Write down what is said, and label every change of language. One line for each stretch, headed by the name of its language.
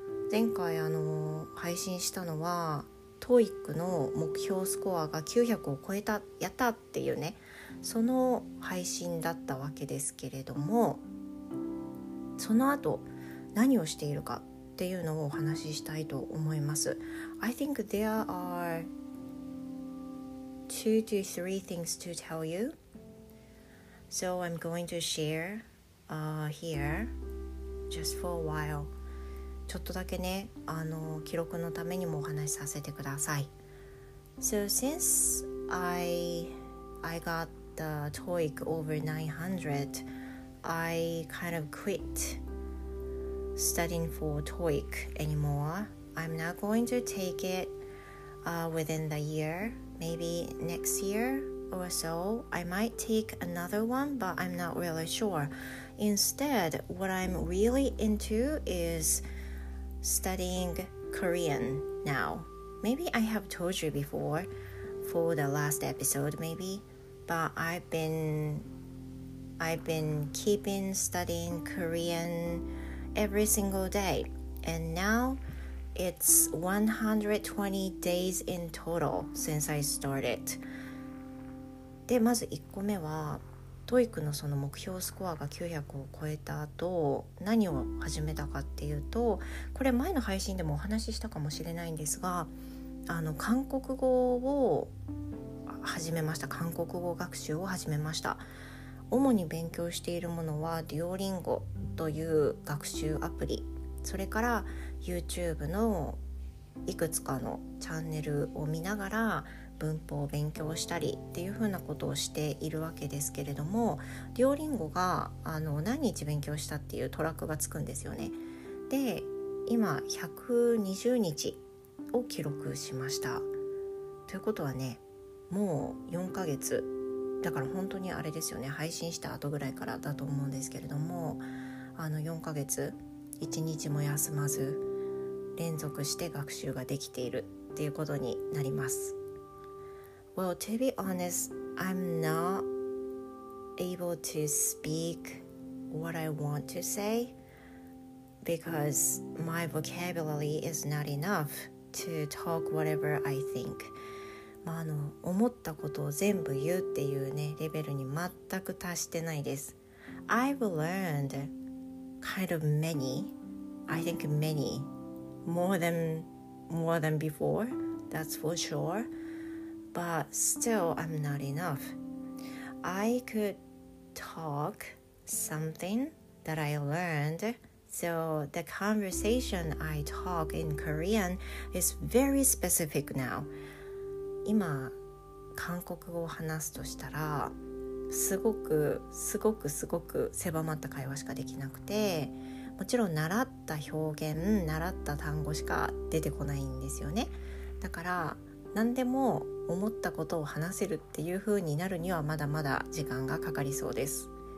Japanese: 前回配信したのは、 TOEIC の目標スコアが900を超えた、やったっていうね、その配信だったわけですけれども、その後何をしているかっていうのをお話ししたいと思います。
English: I think there are 2 to 3 things to tell you. So I'm going to share here just for a while.
Japanese: ちょっとだけね、記録のためにもお話しさせてください。
English: So since I got the TOEIC over 900, I kind of quit studying for TOEIC anymore. I'm not going to take it within the year. Maybe next year or so, I might take another one, but I'm not really sure. Instead, what I'm really into is studying Korean now. Maybe I have told you before for the last episode, maybe, but I've been keeping studying Korean every single day, and now it's 120 days in total since I started.
Japanese: で、まず1個目は、 TOEIC のその目標スコアが900を超えた後、何を始めたかっていうと、これ前の配信でもお話ししたかもしれないんですが、韓国語を始めました。韓国語学習を始めました。主に勉強しているものはデュオリンゴという学習アプリ、それから YouTube のいくつかのチャンネルを見ながら文法を勉強したりっていうふうなことをしているわけですけれども、デュオリンゴが何日勉強したっていうトラックがつくんですよね。で今120日を記録しました。ということはね、もう4ヶ月、だから本当にあれですよね、配信した後ぐらいからだと思うんですけれども、あの4ヶ月1日も休まず連続して学習ができているっていうことになります。
English: Well, to be honest, I'm not able to speak what I want to say because my vocabulary is not enough to talk whatever I think.
Japanese: まあ、あの思ったことを全部言うっていうねレベルに全く達してないです。
English: I've learned kind of many, I think many, more than before, that's for sure, but still I'm not enough. I could talk something that I learned, so the conversation I talk in Korean is very specific now.
Japanese: 今韓国語を話すとしたらすごくすごくすごく狭まった会話しかできなくて、もちろん習った表現、習った単語しか出てこないんですよね。だから何でも思ったことを話せるっていう風になるにはまだまだ時間がかかりそうです。